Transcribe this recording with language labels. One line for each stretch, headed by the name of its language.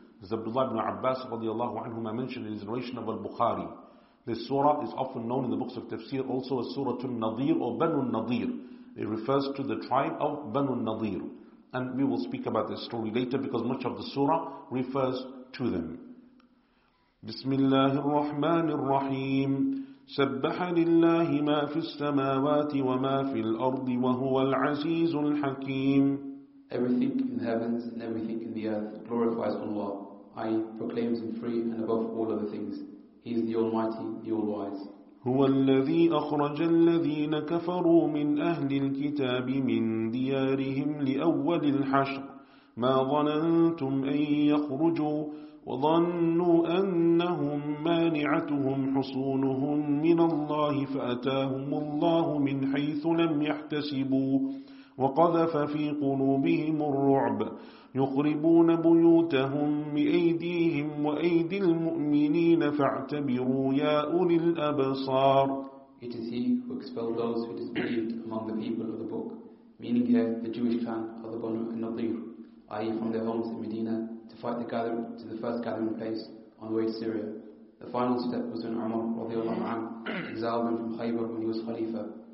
English: As Abdullah ibn Abbas radiallahu anhuma mentioned in his narration of Al-Bukhari, this surah is often known in the books of tafsir also as Surah Al-Nadir or Banu Al-Nadir. It refers to the tribe of Banu Al-Nadir. And we will speak about this story later, because much of the surah refers to them.
Arabic: بسم الله الرحمن الرحيم سبح لله ما في السماوات وما في الأرض وهو العزيز الحكيم.
English: Everything in the heavens and everything in the earth glorifies Allah. I proclaim Him free and above all other things. He is the Almighty, the All-Wise.
Arabic: هو الذي أخرج الذين كفروا من أهل الكتاب من ديارهم لأول الحشر ما ظننتم أن يخرجوا وظنوا أنهم مانعتهم حصونهم من الله فأتاهم الله من حيث لم يحتسبوا وقذف في قلوبهم الرعب يخربون بيوتهم بأيديهم وأيدي المؤمنين فاعتبروا يا أولي الأبصار.
English: It is he who expelled those who disbelieved among the people of the book, meaning here the Jewish clan of the Banu al-Nadir, i.e. from their homes in Medina to fight the gathering to the first gathering place on the way to Syria. The final step was when Umar radiallahu anhu exiled them from Khaybar when he was Khalifa.